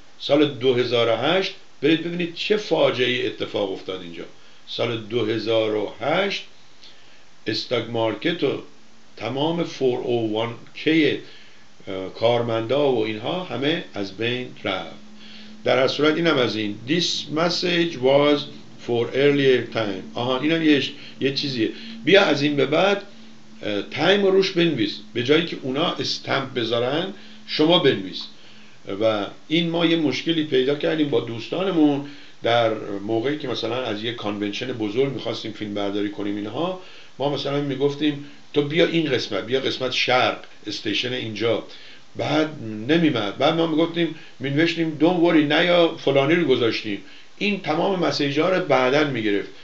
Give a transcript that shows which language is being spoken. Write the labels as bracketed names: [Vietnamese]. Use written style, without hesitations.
[Persian] سال 2008 برید ببینید چه فاجعه‌ای اتفاق افتاد اینجا. سال 2008 استاگ مارکت و تمام 401k کارمندا و اینها همه از بین رفت. در هر صورت اینم از این. [English] This message was for earlier time. [Persian] آها اینم یه چیزیه. بیا از این به بعد تایم رو روش بنویس، به جایی که اونا استمپ بذارن شما بنویس. و این ما یه مشکلی پیدا کردیم با دوستانمون در موقعی که مثلا از یه کانونشن بزرگ می‌خواستیم فیلم برداری کنیم، اینها ما مثلا میگفتیم تو بیا این قسمت، بیا قسمت شرق استیشن اینجا، بعد نمیمد، بعد ما میگفتیم مینوشتیم [English] don't worry [Persian] نیا فلانی رو گذاشتیم، این تمام مسیجا رو بعدن میگرفت.